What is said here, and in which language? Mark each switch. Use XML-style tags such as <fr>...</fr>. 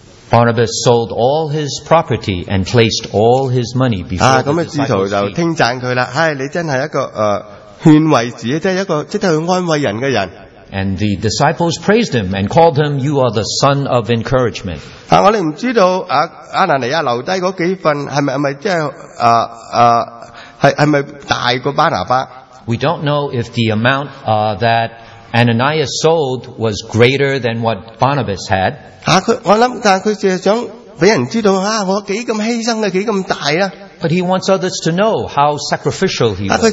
<en>Barnabas sold all his property and placed all his money before the disciples' feet.</en> <zh>使徒就称赞他,你真是一个劝慰子,即是一个安慰人的人。</zh> <en>And the disciples praised him and called him, you are the son of encouragement.</en> <zh>我们不知道亚拿尼亚留下那几份是不是大过巴拿巴。</zh> <en>We don't know if the amount that Ananias sold was greater than what Barnabas had.</en> <zh>我想,但他只是想被人知道,我多么牺牲,多么大。</zh> <en>But he wants others to know how sacrificial he was.</en>